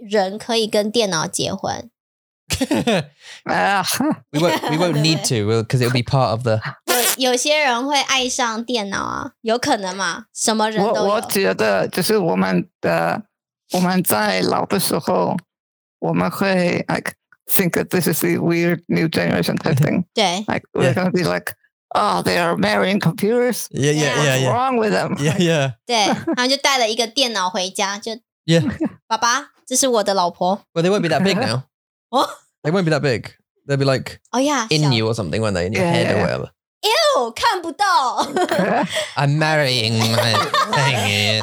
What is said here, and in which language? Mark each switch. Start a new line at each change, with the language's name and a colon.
Chinese: 以后会不会一种路就是人可以跟电脑结婚?
English: we won't need to, because it'll be part of the...
Chinese: 有些人会爱上电脑啊,有可能嘛, 什么人都有。我觉得就是我们的...我们在老的时候，我们会
English: like think that this is the weird new generation type thing.
Chinese: 对,
English: like we're gonna be like, oh, they are marrying computers. Yeah. What's wrong with them? Yeah.
Chinese: 对，他们就带了一个电脑回家，就
English: yeah.
Chinese: 爸爸，这是我的老婆.
English: Well, they won't be that big now. What? They won't be that big. They'll be like, oh yeah, in you or something, won't they? In your head or whatever.
Chinese: Ew, 看不到.
English: I'm marrying my thing.